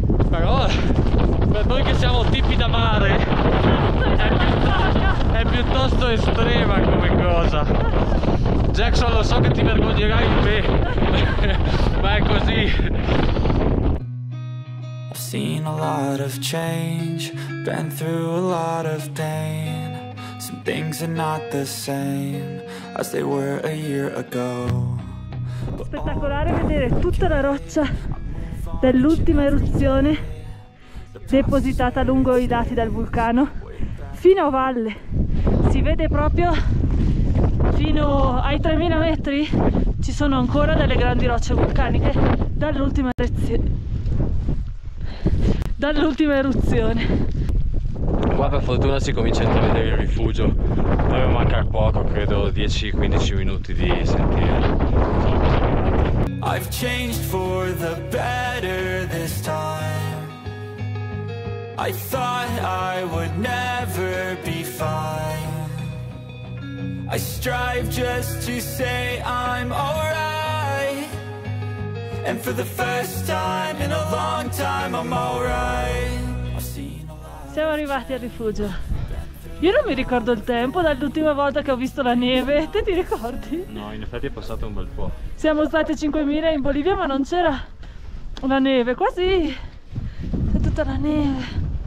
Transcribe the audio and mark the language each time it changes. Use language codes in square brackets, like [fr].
[it] Però per noi che siamo tipi da mare è piuttosto estrema come cosa. Jackson, lo so che ti vergognerai di me, ma è così. [en] I've seen a lot of change, been through a lot of pain. Some things are not the same as they were a year ago. [it] Spettacolare vedere tutta la roccia dell'ultima eruzione depositata lungo i lati del vulcano fino a valle. Si vede proprio fino ai 3000 metri, ci sono ancora delle grandi rocce vulcaniche dall'ultima eruzione. Qua per fortuna si comincia a vedere il rifugio, dovrebbe mancare poco, credo 10-15 minuti di sentiero. [en] I've changed for the better this time. I thought I would never be fine. I strive just to say I'm alright. And for the first time in a long time I'm alright. [it] Siamo arrivati al rifugio. Io non mi ricordo il tempo dall'ultima volta che ho visto la neve, te ti ricordi? No, in effetti è passato un bel po'. Siamo stati 5.000 in Bolivia ma non c'era la neve, quasi c'è tutta la neve.